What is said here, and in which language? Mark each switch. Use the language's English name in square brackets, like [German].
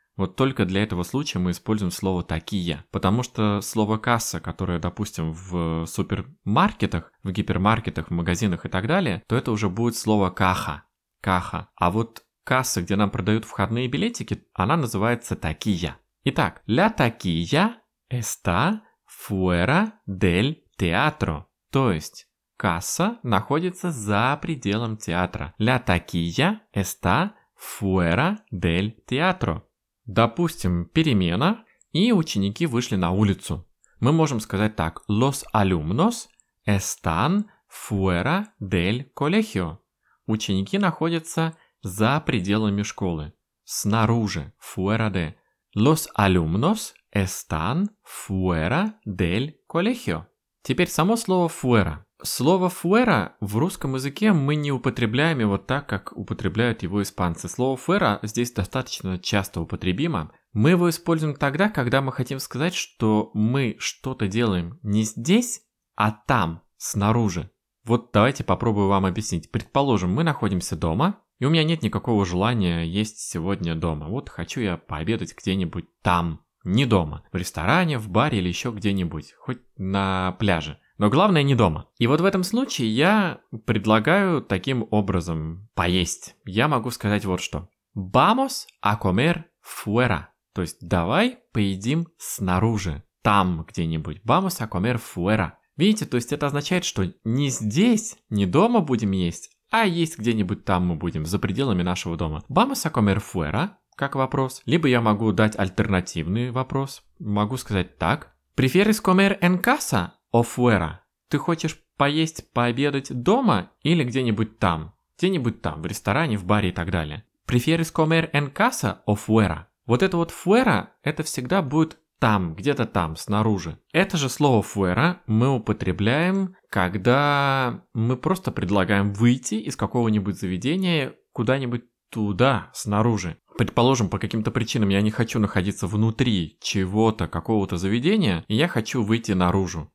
[Russian] Вот только для этого случая мы используем слово «taquilla». Потому что слово «касса», которое, допустим, в супермаркетах, в гипермаркетах, в магазинах и так далее, то это уже будет слово «caja». [Spanish] «Caja». [Russian] А вот касса, где нам продают входные билетики, она называется taquilla. Итак, [Spanish] la taquilla está fuera del teatro. [Russian] То есть, касса находится за пределом театра. [Spanish] La taquilla está fuera del teatro. [Russian] Допустим, перемена, и ученики вышли на улицу. Мы можем сказать так. [Spanish] Los alumnos están fuera del colegio. [Russian] Ученики находятся за пределами школы, снаружи, fuera de. [Spanish] Los alumnos están fuera del colegio. [Russian] Теперь само слово fuera. Слово fuera в русском языке мы не употребляем его так, как употребляют его испанцы. Слово fuera здесь достаточно часто употребимо. Мы его используем тогда, когда мы хотим сказать, что мы что-то делаем не здесь, а там, снаружи. Вот давайте попробую вам объяснить. Предположим, мы находимся дома. И у меня нет никакого желания есть сегодня дома. Вот хочу я пообедать где-нибудь там, не дома. В ресторане, в баре или еще где-нибудь, хоть на пляже. Но главное не дома. И вот в этом случае я предлагаю таким образом поесть. Я могу сказать вот что. [Spanish] Vamos a comer fuera. [Russian] То есть давай поедим снаружи, там где-нибудь. [Spanish] Vamos a comer fuera. [Russian] Видите, то есть это означает, что не здесь, не дома будем есть, а есть где-нибудь там мы будем, за пределами нашего дома. [Spanish] Vamos a comer fuera, [Russian] как вопрос. Либо я могу дать альтернативный вопрос. Могу сказать так. [Spanish] ¿Prefieres comer en casa o fuera? [Russian] Ты хочешь поесть, пообедать дома или где-нибудь там? где-нибудь там, в ресторане, в баре и так далее. [Spanish] Prefieres comer en casa o fuera? [Russian] Вот это вот fuera, это всегда будет там, где-то там, снаружи. Это же слово fuera мы употребляем, когда мы просто предлагаем выйти из какого-нибудь заведения куда-нибудь туда, снаружи. Предположим, по каким-то причинам я не хочу находиться внутри чего-то, какого-то заведения, и я хочу выйти наружу.